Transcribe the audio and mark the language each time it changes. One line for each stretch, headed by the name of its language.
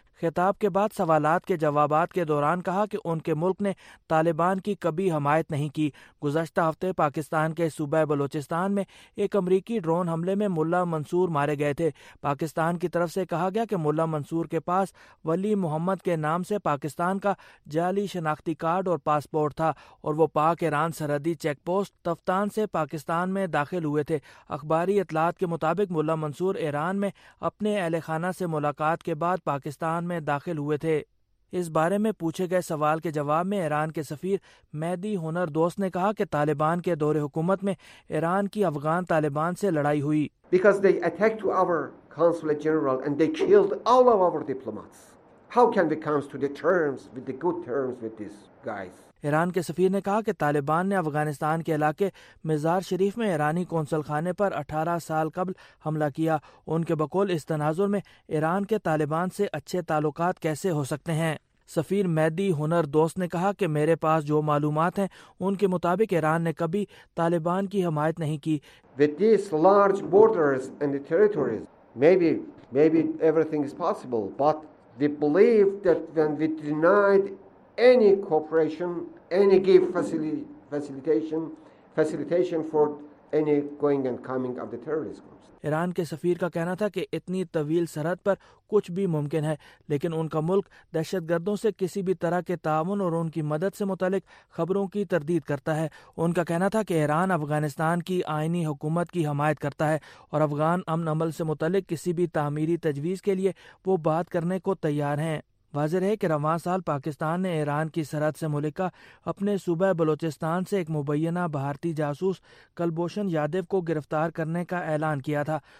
Urdu: خطاب کے بعد سوالات کے جوابات کے دوران کہا کہ ان کے ملک نے طالبان کی کبھی حمایت نہیں کی۔ گزشتہ ہفتے پاکستان کے صوبہ بلوچستان میں ایک امریکی ڈرون حملے میں ملا منصور مارے گئے تھے۔ پاکستان کی طرف سے کہا گیا کہ ملا منصور کے پاس ولی محمد کے نام سے پاکستان کا جعلی شناختی کارڈ اور پاسپورٹ تھا اور وہ پاک ایران سرحدی چیک پوسٹ تفتان سے پاکستان میں داخل ہوئے تھے۔ اخباری اطلاعات کے مطابق ملا منصور ایران میں اپنے اہل خانہ سے ملاقات کے بعد پاکستان میں داخل ہوئے تھے۔ اس بارے میں پوچھے گئے سوال کے جواب میں ایران کے سفیر مہدی ہنر دوست نے کہا کہ طالبان کے دور حکومت میں ایران کی افغان طالبان سے لڑائی ہوئی۔
English: Because they attacked our consulate general and they killed all of our diplomats. How can we come to the terms with the good terms with these guys?
Urdu: Iran کے سفیر نے کہا کہ طالبان نے افغانستان کے علاقے مزار شریف میں ایرانی کونسل خانے پر 18 سال قبل حملہ کیا۔ ان کے بقول اس تناظر میں ایران کے طالبان سے اچھے تعلقات کیسے ہو سکتے ہیں؟ سفیر مہدی ہنر دوست نے کہا کہ میرے پاس جو معلومات ہیں ان کے مطابق ایران نے کبھی طالبان کی حمایت نہیں کی۔
English: With these large borders and the territories, maybe everything is possible, but we believe that when we denied any cooperation, any give facilitation for any going and coming of the terrorist groups.
Urdu: Iran کے سفیر کا کہنا تھا کہ اتنی طویل سرحد پر کچھ بھی ممکن ہے، لیکن ان کا ملک دہشت گردوں سے کسی بھی طرح کے تعاون اور ان کی مدد سے متعلق خبروں کی تردید کرتا ہے۔ ان کا کہنا تھا کہ ایران افغانستان کی آئینی حکومت کی حمایت کرتا ہے اور افغان امن عمل سے متعلق کسی بھی تعمیری تجویز کے لیے وہ بات کرنے کو تیار ہیں۔ واضح ہے کہ رواں سال پاکستان نے ایران کی سرحد سے ملکہ اپنے صوبہ بلوچستان سے ایک مبینہ بھارتی جاسوس کلبھوشن یادو کو گرفتار کرنے کا اعلان کیا تھا۔